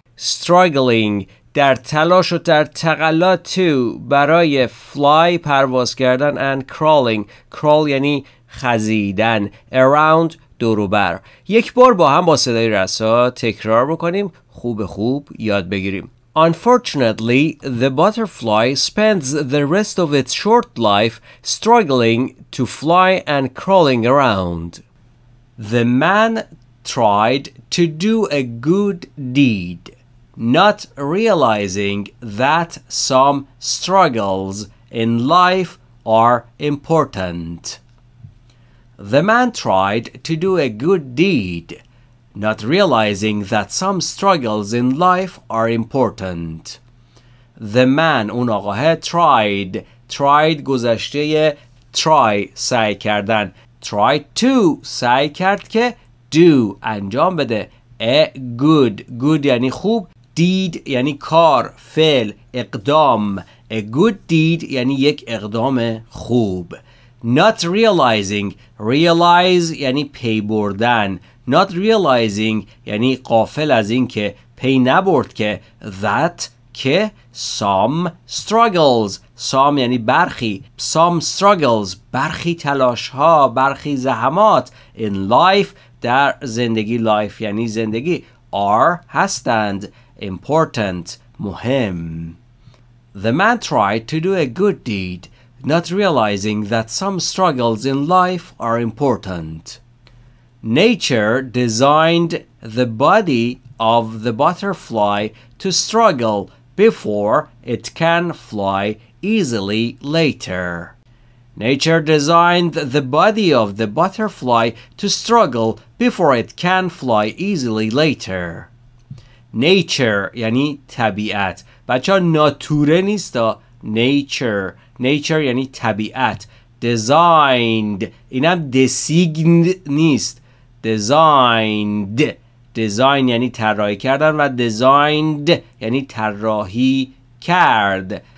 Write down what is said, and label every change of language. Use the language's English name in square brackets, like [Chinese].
[Persian] struggling در تلاش و در تقلا. to برای fly پرواز کردن. [English] and crawling، [Persian] crawl یعنی خزیدن. around دوروبر. یک بار با هم با صدای رسا تکرار بکنیم، خوب خوب یاد بگیریم. [English] Unfortunately, the butterfly spends the rest of its short life struggling to fly and crawling around. The man tried to do a good deed, not realizing that some struggles in life are important. The man tried to do a good deed, not realizing that some struggles in life are important. The man [Persian] اون آقاه tried، tried گذشته try سعی کردن. [English] tried to [Persian] سعی کرد که do انجام بده. [English] a good، [Persian] good یعنی خوب. deed یعنی کار، فعل، اقدام. [English] a good deed [Persian] یعنی یک اقدام خوب. [English] not realizing، [Persian] realize یعنی پی بردن. [English] not realizing [Persian] یعنی غافل از این که، پی نبرد که، that که [English] some struggles، [Persian] some یعنی برخی، some struggles برخی تلاش ها، برخی زحمات، [English] in life [Persian] در زندگی، life یعنی زندگی، are هستند، important مهم. [English] the man tried to do a good deed، not realizing that some struggles in life are important. Nature designed the body of the butterfly to struggle before it can fly easily later. Nature designed the body of the butterfly to struggle before it can fly easily later. [Persian] Nature یعنی طبیعت. بچه ها ناتوره نیست، نیچر. nature یعنی طبیعت. designed. اینم designed نیست. [English] Designed. [Persian] Design یعنی طراحی کردن و designed یعنی طراحی کرد.